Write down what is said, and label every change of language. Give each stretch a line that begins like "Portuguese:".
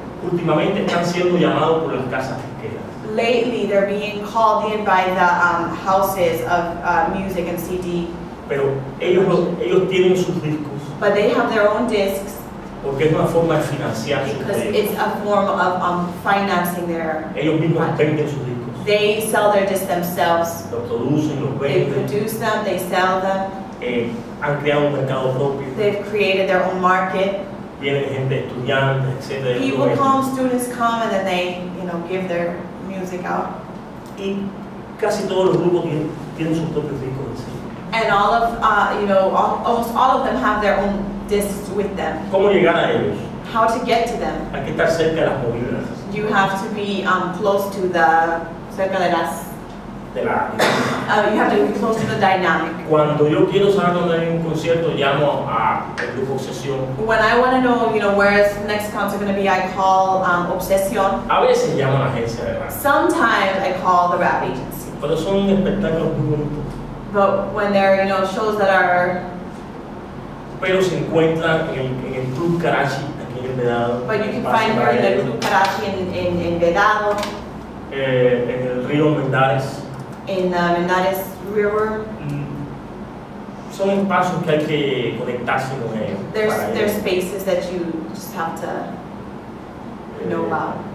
Spanish: Últimamente están siendo llamados por las casas disqueras.
English: Lately, they're being called in by the houses of music and CD.
Spanish: Pero ellos tienen sus discos.
English: But they have their own discs.
Spanish: Porque es una forma de financiar sus discos.
English: Because it's a form of financing their.
Spanish: Ellos mismos venden sus discos.
English: They sell their discs themselves.
Spanish: Lo producen, lo venden.
English: They produce them. They sell them.
Spanish: Han creado un mercado propio.
English: They've created their own market.
Spanish: Vienen gente estudiante, etcétera.
English: People come, students come, and then they, you know, give their music out.
Spanish: Y casi todos los grupos tienen sus propios discos.
English: And all of almost all of them have their own discs with them.
Spanish: ¿Cómo llegar a ellos?
English: How to get to them?
Spanish: Hay que estar cerca de las movidas.
English: You have to be close to the
Spanish: cerca de las.
English: You have to be close to the dynamic.
Spanish: Cuando yo quiero saber dónde hay un concierto, llamo a el grupo Obsesión.
English: When I want to know, you know, where is the next concert going to be, I call Obsesión.
Spanish: A veces llamo a la agencia de rap.
English: Sometimes I call the rap agency.
Spanish: Pero son espectáculos muy bonitos.
English: But when there are, you know, shows that are.
Spanish: Pero se encuentran en el Club Karachi, aquí en Vedado.
English: But you can find her in the Club Karachi in Vedado.
Spanish: En el río Mendares.
English: In the Mendares River.
Spanish: Son espacios que hay que conectarse con ellos.
English: There's spaces that you just have to know about.